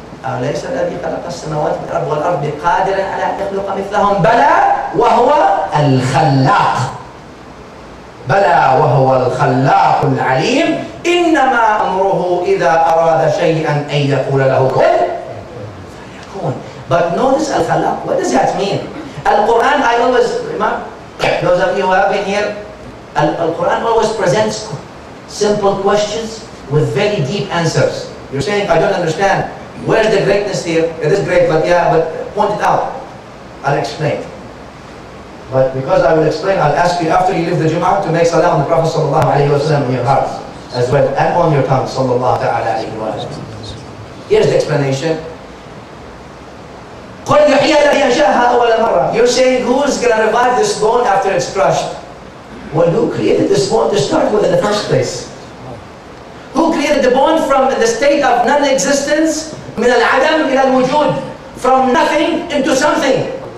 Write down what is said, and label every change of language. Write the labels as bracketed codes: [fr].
[ar] أليس الذي خلق السماوات والأرض والأرض قادرا على أن يخلق مثلهم؟ بلى وهو الخلاق. بلى وهو الخلاق العليم. إنما أمره إذا أراد شيئا أن يقول له كن. [en] But notice Al-Khalaq, what does that mean? Al-Quran, I always remember, those of you who have been here, Al-Quran always presents simple questions with very deep answers. You're saying, I don't understand, where's the greatness here? It is great, but yeah, but point it out. I'll explain. But because I will explain, I'll ask you after you leave the Jum'ah to make salah on the Prophet sallallahu alayhi wa sallam in your heart as well, and on your tongue, sallallahu ta'ala alayhi wa sallam. Here's the explanation. [ar] قل يحيي الذي أنشأها أول مرة. [en] You're saying who's gonna revive this bone after it's crushed? Well, who created this bone to start with in the first place? Who created the bone from the state of non-existence [ar] من العدم إلى الوجود, [en] from nothing into something?